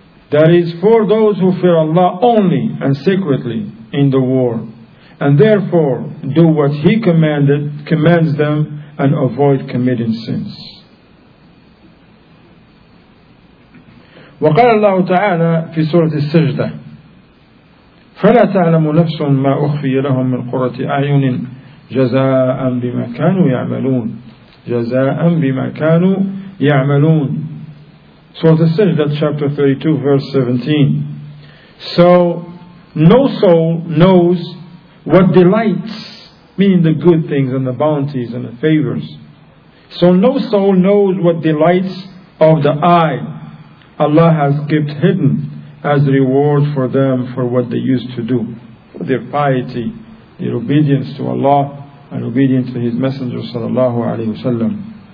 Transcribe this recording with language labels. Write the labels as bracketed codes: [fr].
[en] That is for those who fear Allah only and secretly in the world, and therefore do what He commands them and avoid committing sins. [ar] وقال الله تعالى في سورة السجدة: فلا تعلم نفس ما أخفي لهم من قرة أعين جزاء بما كانوا يعملون جزاء بما كانوا يعملون. [en] Sورة السجدة chapter 32 verse 17. So no soul knows what delights, meaning the good things and the bounties and the favors. So no soul knows what delights of the eye Allah has kept hidden as reward for them for what they used to do, for their piety, their obedience to Allah and obedience to His Messenger sallallahu alayhi wa sallam.